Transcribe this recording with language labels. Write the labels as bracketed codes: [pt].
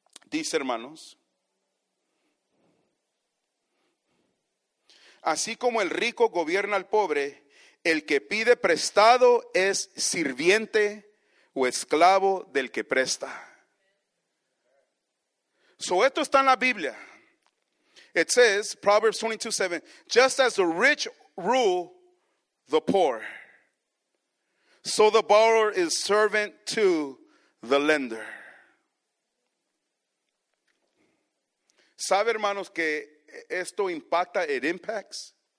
[es] Dice, hermanos, así como el rico gobierna al pobre, el que pide prestado es sirviente o esclavo del que presta. So esto está en la Biblia. [en] It says, Proverbs 22:7, just as the rich rule the poor, so the borrower is servant to the lender. [es] ¿Sabe, hermanos, que esto impacta, [en] it impacts?